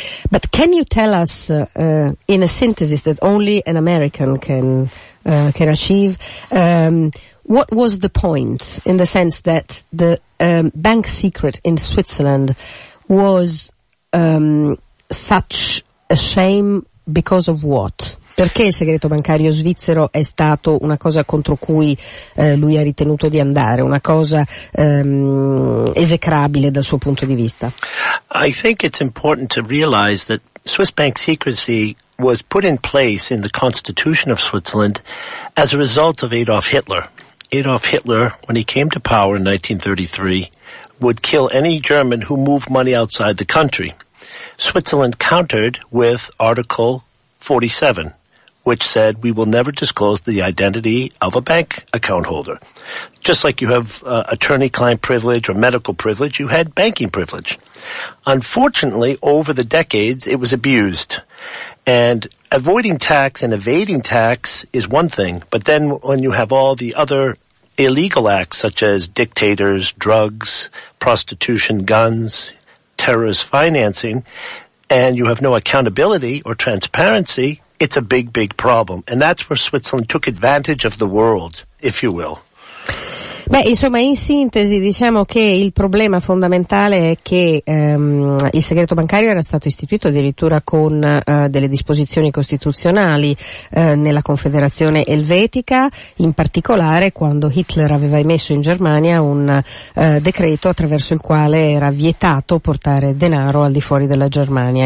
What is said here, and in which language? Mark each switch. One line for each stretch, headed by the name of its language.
English: But can you tell us in a synthesis that only an American can achieve, what was the point, in the sense that the bank secret in Switzerland was such a shame because of what?
Italian: Perché il segreto bancario svizzero è stato una cosa contro cui lui ha ritenuto di andare, una cosa esecrabile dal suo punto di vista?
English: I think it's important to realize that Swiss bank secrecy was put in place in the constitution of Switzerland as a result of Adolf Hitler. Adolf Hitler, when he came to power in 1933, would kill any German who moved money outside the country. Switzerland countered with Article 47, which said we will never disclose the identity of a bank account holder. Just like you have attorney-client privilege or medical privilege, you had banking privilege. Unfortunately, over the decades, it was abused. And avoiding tax and evading tax is one thing, but then when you have all the other illegal acts, such as dictators, drugs, prostitution, guns, terrorist financing, and you have no accountability or transparency, it's a big, big problem. And that's where Switzerland took advantage of the world, if you will.
Italian: Beh, insomma, in sintesi diciamo che il problema fondamentale è che il segreto bancario era stato istituito addirittura con delle disposizioni costituzionali nella Confederazione Elvetica, in particolare quando Hitler aveva emesso in Germania un decreto attraverso il quale era vietato portare denaro al di fuori della Germania.